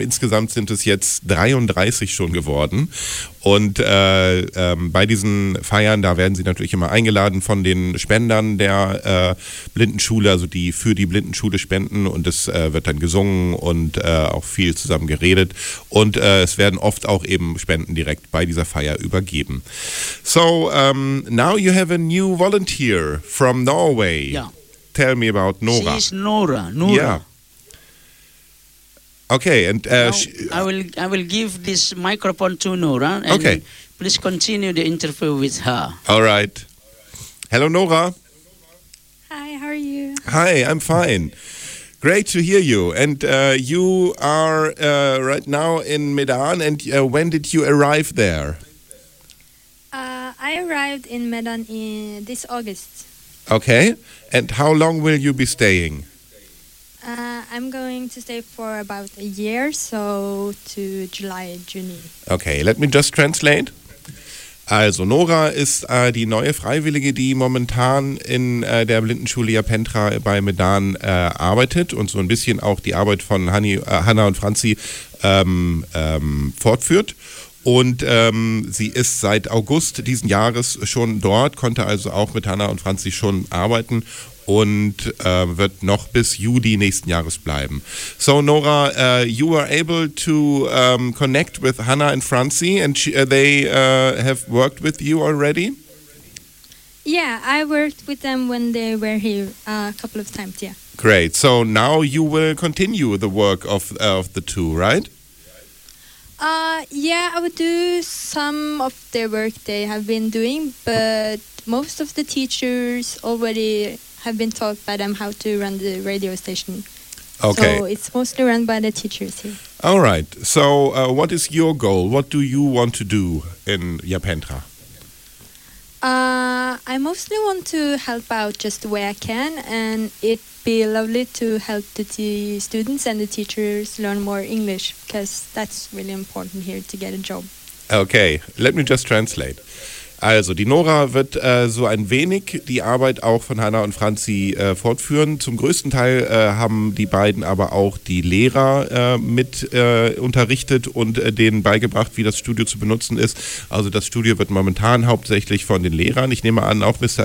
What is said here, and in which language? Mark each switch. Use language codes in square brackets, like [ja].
[de] Insgesamt sind es jetzt 33 schon geworden. Und bei diesen Feiern, da werden sie natürlich immer eingeladen von den Spendern der Blindenschule, also die für die Blindenschule spenden. Und es wird dann gesungen und auch viel zusammen geredet. Und es werden oft auch eben Spenden direkt bei dieser Feier übergeben. [en] So, now you have a new volunteer from Norway. Yeah. Tell me about Nora. She is Nora. Yeah. Okay, and I will give this microphone to Nora. And okay, please continue the interview with her. All right. Hello, Nora. Hi. How are you? Hi. I'm fine. Great to hear you. And you are right now in Medan. And when did you arrive there? I arrived in Medan this August. Okay. And how long will you be staying? I'm going to stay for about a year, so to July, June. Okay, let me just translate. [de] Also Nora ist die neue Freiwillige, die momentan in der Blindenschule Japentra bei Medan arbeitet und so ein bisschen auch die Arbeit von Hanna und Franzi fortführt. Und sie ist seit August diesen Jahres schon dort, konnte also auch mit Hanna und Franzi schon arbeiten und wird noch bis Juli nächsten Jahres bleiben. [en] So Nora, you were able to connect with Hanna and Franzi, and they have worked with you already? Yeah, I worked with them when they were here a couple of times, yeah. Great, so now you will continue the work of the two, right? Yeah, I would do some of their work they have been doing, but most of the teachers already have been taught by them how to run the radio station. Okay. So it's mostly run by the teachers here. All right. So what is your goal? What do you want to do in Japentra? I mostly want to help out just the way I can, and it be lovely to help the students and the teachers learn more English, because that's really important here to get a job. Okay, let me just translate. [de] Also, die Nora wird so ein wenig die Arbeit auch von Hanna und Franzi fortführen. Zum größten Teil haben die beiden aber auch die Lehrer mit unterrichtet und denen beigebracht, wie das Studio zu benutzen ist. Also das Studio wird momentan hauptsächlich von den Lehrern, ich nehme an, auch Mr.